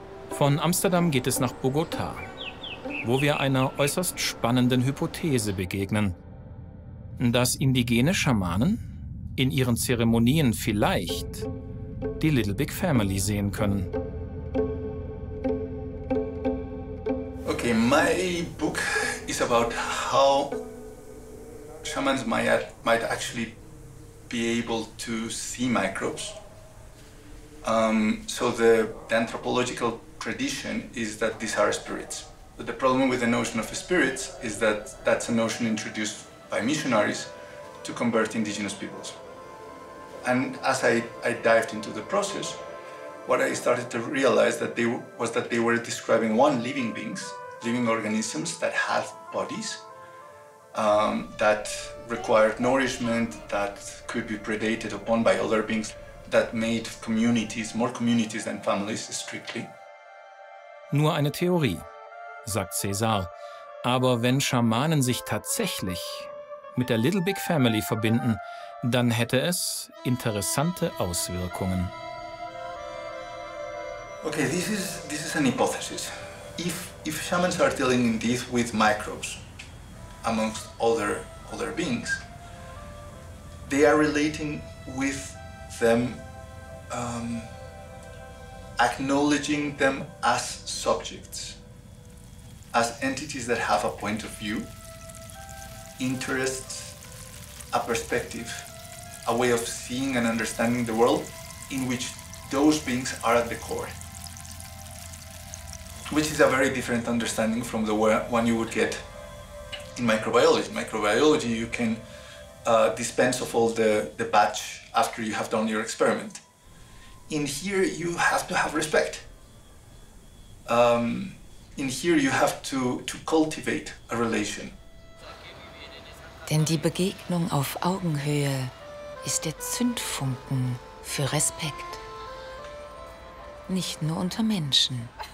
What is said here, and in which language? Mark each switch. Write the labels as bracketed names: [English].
[German] Von Amsterdam geht es nach Bogota, wo wir einer äußerst spannenden Hypothese begegnen. Dass indigene Schamanen in ihren Zeremonien vielleicht die Little Big Family sehen können. [English] Okay, my book is about how shamans might actually be able to see microbes. So the anthropological tradition is that these are spirits. But the problem with the notion of spirits is that that's a notion introduced by missionaries to convert indigenous peoples. And as I dived into the process, what I started to realize that they were describing one, living beings, living organisms that have bodies, that required nourishment, that could be predated upon by other beings, that made communities, more communities than families, strictly. [German] Nur eine Theorie, sagt César. Aber wenn Schamanen sich tatsächlich mit der Little Big Family verbinden, dann hätte es interessante Auswirkungen. [English] Okay, this is an hypothesis. If shamans are dealing indeed with microbes amongst other beings, they are relating with them, acknowledging them as subjects, as entities that have a point of view, interests, a perspective, a way of seeing and understanding the world in which those beings are at the core. which is a very different understanding from the one you would get in microbiology. Microbiology, you can dispense of all the batch after you have done your experiment. In here, you have to have respect. In here, you have to cultivate a relation. [German] Denn die Begegnung auf Augenhöhe ist der Zündfunken für Respekt. Nicht nur unter Menschen.